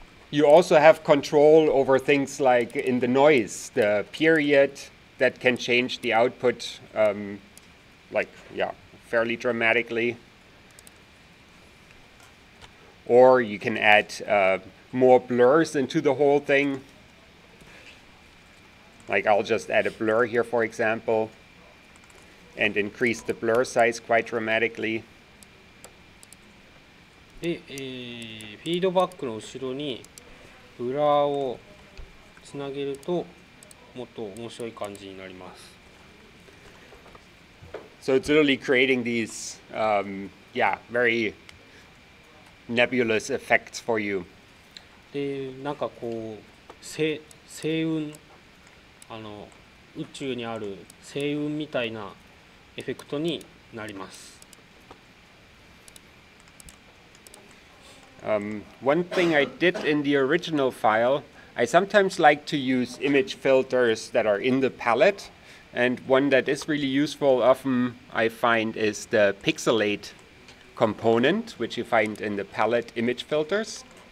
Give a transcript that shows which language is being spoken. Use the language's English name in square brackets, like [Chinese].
[English] You also have control over things like in the noise, the period that can change the output fairly dramatically, or you can add more blurs into the whole thingLike, I'll just add a blur here, for example, and increase the blur size quite dramatically. [Japanese] で、フィードバックの後ろにブラーをつなげるともっと面白い感じになります。 [English] So it's literally creating these, very nebulous effects for you. [Japanese] で、なんかこう、星雲。あの宇宙にある星雲みたいなエフェクトになります。 [English] One thing I did in the original file, I sometimes like to use image filters that are in the palette, and one that is really useful often I find is the pixelate component, which you find in the palette image filters.